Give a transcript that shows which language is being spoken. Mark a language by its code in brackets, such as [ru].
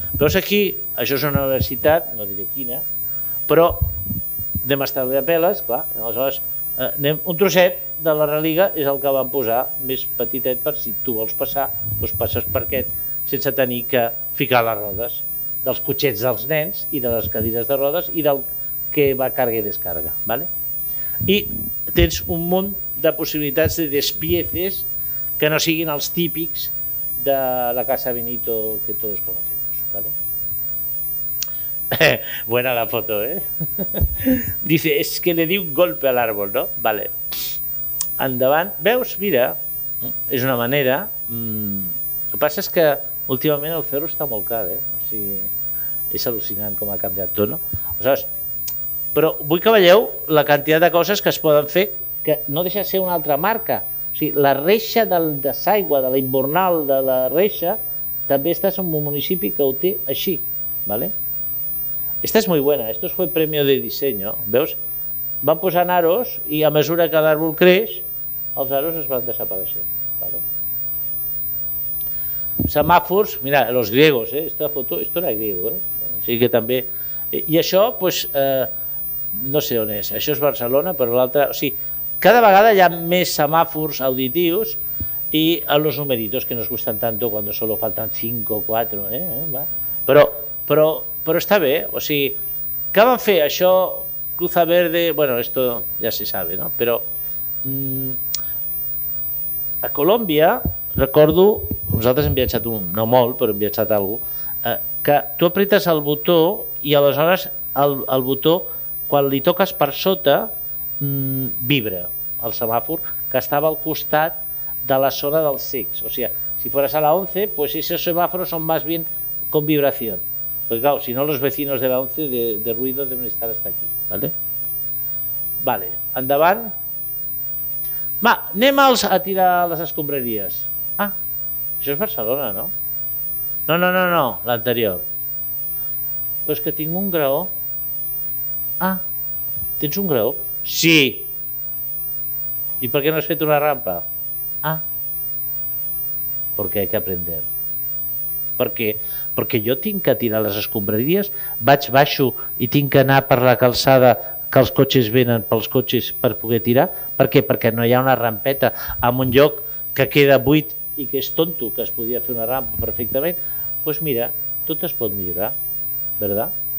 [ca] Veus aquí, això és una universitat, no diré quina, però anem a estar bé a peles, clar, aleshores anem un trosset de la religa és el que van posar més petitet per si tu vols passar, doncs passes per aquest sense tenir que ficar les rodes dels cotxets dels nens i de les cadires de rodes i del que va carga i descarga, vale? I tens un munt de possibilitats de despieces que no siguin els típics de la Casa Benito que tots coneixem, vale? [es] Buena la foto, eh? Dice, es que le di un golpe al árbol, ¿no? Vale. [ca] Endavant, veus, mira, és una manera, el que passa és que últimament el ferro està molt car, eh? O sigui, és al·lucinant com ha canviat tot, no? Aleshores, però vull que veieu la quantitat de coses que es poden fer que no deixa de ser una altra marca, o sigui, la reixa del desaigua, de la invernal de la reixa, també estàs en un municipi que ho té així, vale? [es] Esta és es molt bona, esto fue premio de diseño, veus? [ca] Van posar aros i a mesura que l'àrbol creix, els aros es van desaparèixer. ¿Vale? [es] Semàfors, mira, los griegos, ¿eh? Esta foto, esto era griego, ¿eh? [ca] Así que també, i això, pues, no sé on és, això és Barcelona, però l'altra, o sigui, cada vegada hi ha més semàfors auditius i [es] a los numeritos que nos gustan tanto cuando solo faltan 5 o 4, ¿eh? [ca] Però està bé, o sigui, què van fer? [es] Això, Cruza Verde, bueno, esto ya se sabe, ¿no? [ca] Però a Colòmbia, recordo, nosaltres hem viatjat un, no molt, però hem viatjat algú, que tu apretes el botó i aleshores el botó, quan li toques per sota, vibra el semàfor, que estava al costat de la zona del SIX. [es] O sigui, si fueras a la 11, pues esos semáforos son más bien con vibración. Porque claro, si no los vecinos de la 11 de ruido deben estar hasta aquí, ¿vale? [ca] Vale, endavant. Va, anem a tirar les escombraries. Ah, això és Barcelona, no? No, l'anterior. Però és que tinc un graó. Ah, tens un graó? Sí. I per què no has fet una rampa? Ah, perquè [es] hay que aprender. [ca] perquè jo tinc que tirar les escombraries, baixo i tinc que anar per la calçada que els cotxes venen pels cotxes per poder tirar, perquè no hi ha una rampeta en un lloc que queda buit i que és tonto, que es podia fer una rampa perfectament. Doncs pues mira, tot es pot millorar, ¿verdad?